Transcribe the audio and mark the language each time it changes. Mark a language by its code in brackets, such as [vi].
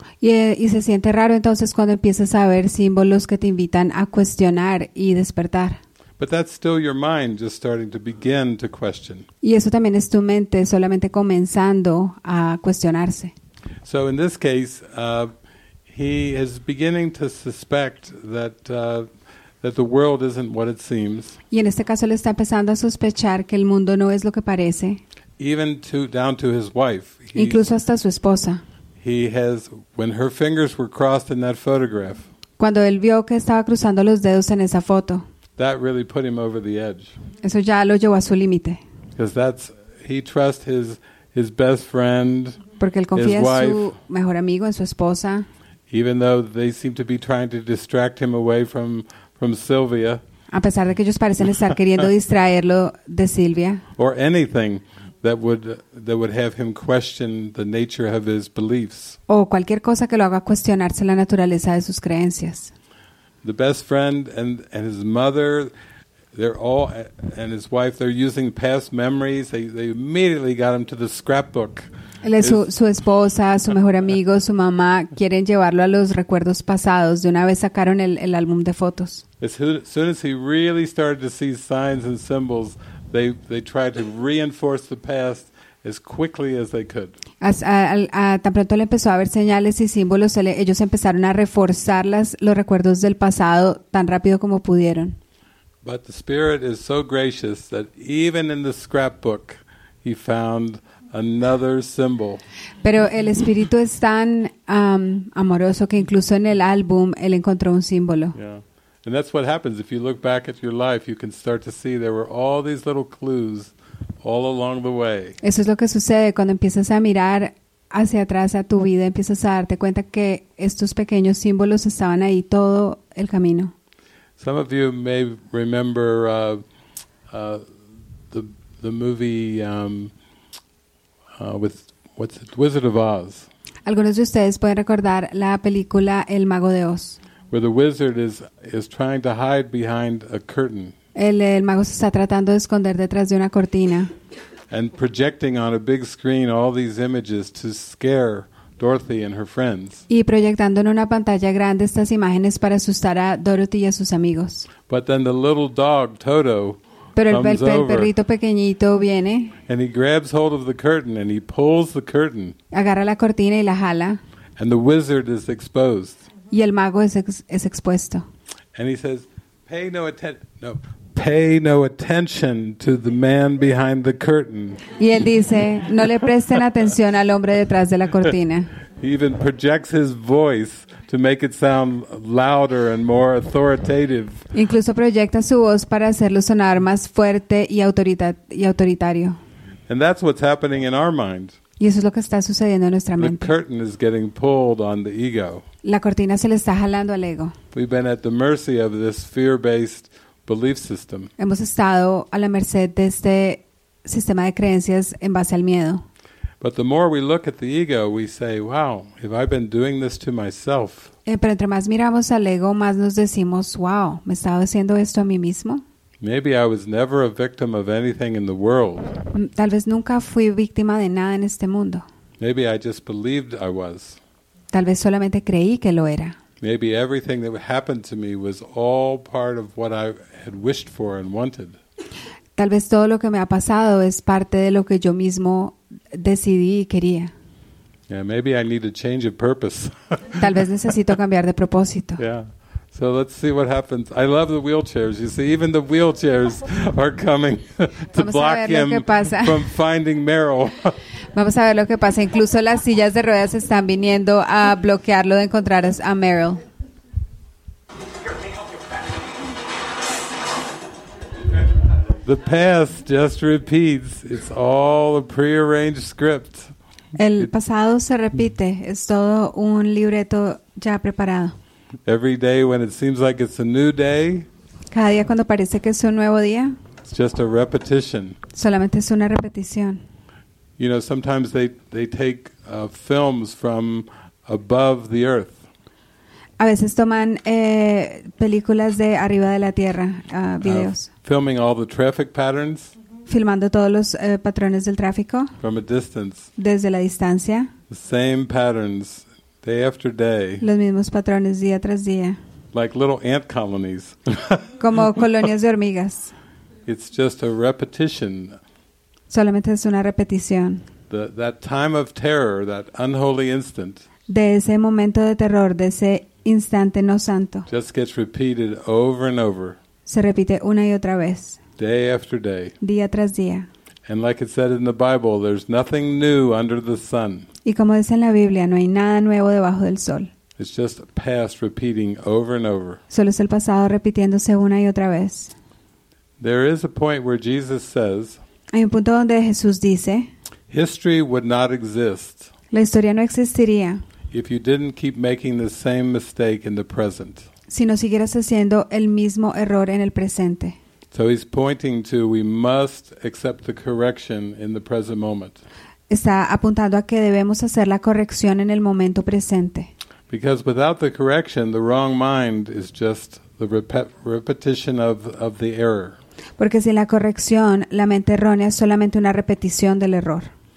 [es] Y se siente raro entonces cuando empiezas a ver símbolos que te invitan a cuestionar y despertar. [en] But that's still your mind just starting to begin to question. [es] Y eso también es tu mente solamente comenzando a cuestionarse. [en] So in this case, he is beginning to suspect that the world isn't what it seems. [es] Y en este caso le está empezando a sospechar que el mundo no es lo que parece. [en] Even to down to his wife. [es] Incluso hasta su esposa. [en] He has when her fingers were crossed in that photograph. [es] Cuando él vio que estaba cruzando los dedos en esa foto. [en] That really put him over the edge. [es] Eso ya lo llevó a su límite. [en] Because that's he trusts his best friend. [es] Porque él confía en su mejor amigo, en su esposa. [en] Even though they seem to be trying to distract him away from Sylvia. [es] A pesar de que ellos parecen estar queriendo distraerlo de Silvia. [en] Or anything that would have him question the nature of his beliefs. [es] O cualquier cosa que lo haga cuestionarse la naturaleza de sus creencias. [en] The best friend and his mother, they're all and his wife. They're using past memories. They immediately got him to the scrapbook. [es] Su esposa, su mejor amigo, su mamá quieren llevarlo a los recuerdos pasados. De una vez sacaron el álbum de fotos. [en] As soon as he really started to see signs and symbols, they tried to reinforce the past as quickly as they could. [es] Tan pronto le empezó a ver señales y símbolos, ellos empezaron a reforzar los recuerdos del pasado tan rápido como pudieron. [en] But the Spirit is so gracious that even in the scrapbook he found another symbol. [es] Pero el Espíritu es tan amoroso que incluso en el álbum él encontró un símbolo. [en] Yeah. And that's what happens. If you look back at your life, you can start to see there were all these little clues all along the way. [es] Eso es lo que sucede cuando empiezas a mirar hacia atrás a tu vida, empiezas a darte cuenta que estos pequeños símbolos estaban ahí todo el camino. [en] Some of you may remember the movie with what's it, Wizard of Oz. [es] Algunos de ustedes pueden recordar la película El Mago de Oz. [en] Where the wizard is trying to hide behind a curtain. [es] El mago se está tratando de esconder detrás de una cortina. [en] And projecting on a big screen all these images to scare Dorothy and her friends. [es] Y proyectando en una pantalla grande estas imágenes para asustar a Dorothy y a sus amigos. [en] But then the little dog Toto. [es] Pero el perrito pequeñito viene. [en] And he grabs hold of the curtain and he pulls the curtain. [es] Agarra la cortina y la jala. [en] And the wizard is exposed. [es] Y el mago es expuesto. [en] And he says, pay no attention to the man behind the curtain. [es] Y él dice, no le presten atención al hombre detrás de la cortina. [en] He even projects his voice to make it sound louder and more authoritative. [es] Incluso proyecta su voz para hacerlo sonar más fuerte y autoritario. [en] And that's what's happening in our mind. [es] Y eso es lo que está sucediendo en nuestra mente. [en] The curtain is getting pulled on the ego. [es] La cortina se le está jalando al ego. [en] We've been at the mercy of this fear-based belief system. [es] Hemos estado a la merced de este sistema de creencias en base al miedo. [en] But the more we look at the ego, we say, wow, have I been doing this to myself? [es] Pero entre más miramos al ego, más nos decimos, wow, ¿me he estado haciendo esto a mí mismo? [en] Maybe I was never a victim of anything in the world. [es] Tal vez nunca fui víctima de nada en este mundo. [en] Maybe I just believed I was. [es] Tal vez solamente creí que lo era. [en] Maybe everything that happened to me was all part of what I had wished for and wanted. [es] Tal vez todo lo que me ha pasado es parte de lo que yo mismo decidí y quería. [en] Yeah, maybe I need a change of purpose. [es] Tal vez necesito cambiar de propósito. [en] Yeah. So let's see what happens. I love the wheelchairs. You see, even the wheelchairs are coming to block him from finding Meryl. [es] Vamos a ver lo que pasa. Incluso las sillas de ruedas están viniendo a bloquearlo de encontrar a Meryl. [en] The past just repeats. It's all a prearranged script. [es] El pasado se repite. Es todo un libreto ya preparado. [en] Every day when it seems like it's a new day. [es] Cada día cuando parece que es un nuevo día. [en] It's just a repetition. [es] Solamente es una repetición. [en] You know, sometimes they take films from above the earth. [es] A veces toman películas de arriba de la tierra, videos. [en] Filming all the traffic patterns. [es] Filmando todos los patrones del tráfico. [en] From a distance. [es] Desde la distancia. [en] The same patterns. Day after day. [es] Los mismos patrones día tras día. [en] Like little ant colonies. [es] Como colonias de hormigas. [en] It's just a repetition. [es] Solamente es una repetición. [en] That time of terror, that unholy instant. [es] De ese momento de terror, de ese instante no santo. [en] Just gets repeated over and over. [es] Se repite una y otra vez. [en] Day after day. [es] Día tras día. [en] And like it said in the Bible, there's nothing new under the sun. [es] Y como dice en la Biblia, no hay nada nuevo debajo del sol. [en] It's just past repeating over and over. [es] Solo es el pasado repitiéndose una y otra vez. [en] There is a point where Jesus says. [es] Hay un punto donde Jesús dice. [en] History would not exist. [es] La historia no existiría. [en] If you didn't keep making the same mistake in the present. [es] Si no siguieras haciendo el mismo error en el presente. [en] So he's pointing to we must accept the correction in the present moment. [es] Está apuntando a que debemos hacer la corrección en el momento presente. [en] Because without the correction, the wrong mind is just the repetition of the error. [es] Porque sin la corrección, la mente errónea es solamente una repetición del error.